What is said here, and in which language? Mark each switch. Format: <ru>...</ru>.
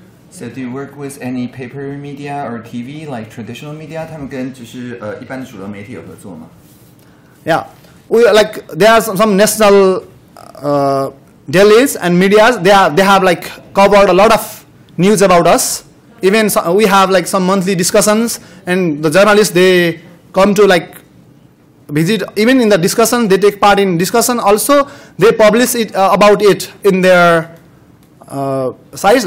<en>So do you work with any paper media or TV, like traditional media?</en> <zh>他们跟就是一般的主流媒体有合作吗？</zh> <en>Yeah, there are some national dailies and medias. They have like covered a lot of news about us. Even we have like some monthly discussions, and the journalists, they come to like visit, even in the discussion, they take part in discussion also, they publish it about it in their sites.</en>